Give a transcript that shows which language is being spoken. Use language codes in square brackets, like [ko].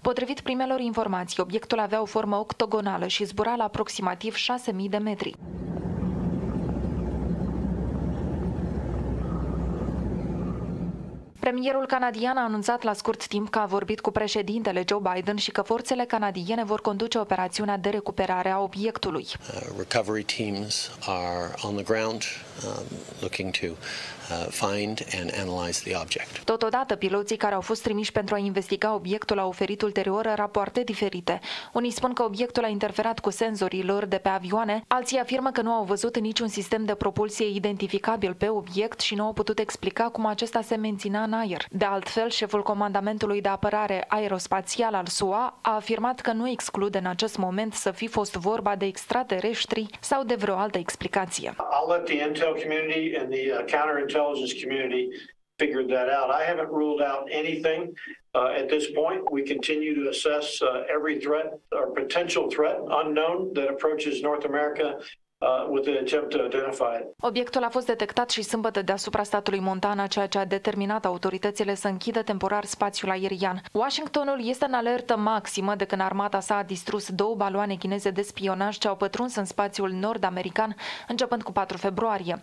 [ro] Potrivit primelor informații, obiectul avea o formă octogonală și zbura la aproximativ 6.000 de metri. Premierul canadian a anunțat la scurt timp că a vorbit cu președintele Joe Biden și că forțele canadiene vor conduce operațiunea de recuperare a obiectului. [en] Recovery teams are on the ground looking to find and analyze the object. [ro] Totodată, piloții care au fost trimiși pentru a investiga obiectul au oferit ulterior rapoarte diferite. Unii spun că obiectul a interferat cu senzorilor de pe avioane, alții afirmă că nu au văzut niciun sistem de propulsie identificabil pe obiect și nu au putut explica cum acesta se menținea în aer. De altfel, șeful Comandamentului de Apărare Aerospațial al SUA a afirmat că nu exclude în acest moment să fi fost vorba de extraterestri sau de vreo altă explicație. [en] I'll let the intel community and the counterintelligence community figure that out. I haven't ruled out anything at this point. We continue to assess every threat or potential threat unknown that approaches North America. [ro] Obiectul a fost detectat și sâmbătă deasupra statului Montana, ceea ce a determinat autoritățile să închidă temporar spațiul aerian. Washingtonul este în alertă maximă de când armata sa a distrus două baloane chineze de spionaj ce au pătruns în spațiul nord-american, începând cu 4 februarie.